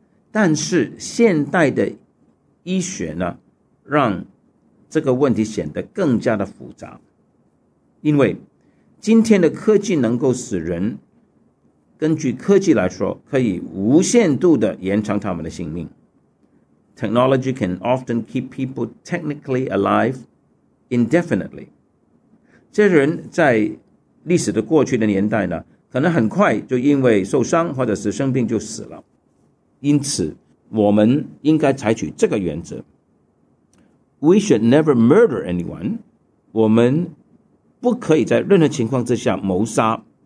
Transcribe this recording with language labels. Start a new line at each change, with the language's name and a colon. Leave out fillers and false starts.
Chinese: 但是现代的医学呢，让这个问题显得更加的复杂，因为今天的科技能够使人，根据科技来说，可以无限度的延长他们的性命。
English: Technology can often keep people technically alive indefinitely。
Chinese: 这人在历史的过去的年代呢，可能很快就因为受伤或者是生病就死了。因此我们应该采取这个原则，
English: We should never murder anyone，
Chinese: 我们不可以在任何情况之下谋杀。